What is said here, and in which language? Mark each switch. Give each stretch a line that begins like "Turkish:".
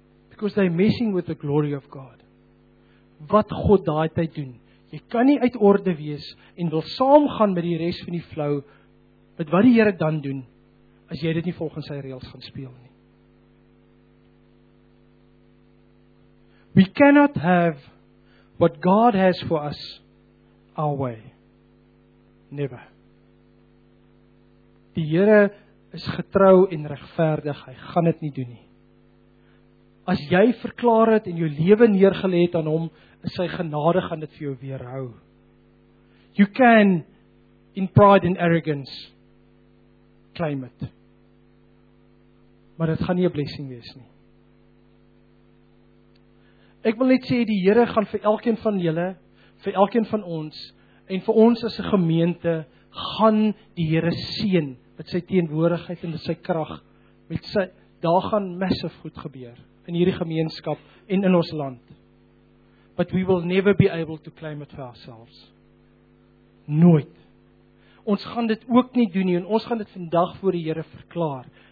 English: Because they're messing with the glory of God.
Afrikaans: Wat God daai tyd doen. Jy kan nie uit orde wees en wil saamgaan met die res van die flow met wat die Here dan doen as jy dit nie volgens sy reëls gaan speel nie.
English: We cannot have what God has for us our way. Never.
Afrikaans: Die Here is getrou en regverdig. Hy gaan dit nie doen nie. As jy verklaar het en jou lewe neergelê het aan hom, is sy genade gaan dit vir jou weerhou.
English: You can, in pride and arrogance, claim it.
Afrikaans: Maar dit gaan nie 'n blessing wees nie. Ek wil net sê, die Here gaan vir elkeen van julle, vir elkeen van ons, en vir ons as 'n gemeente, gaan die Here seën met sy teenwoordigheid en met sy krag. Daar gaan massief goed gebeur in hierdie gemeenskap en in ons land.
English: but we will never be able to claim it for ourselves.
Afrikaans: Nooit. Ons gaan dit ook nie doen nie, en ons gaan dit vandag voor die Here verklaar.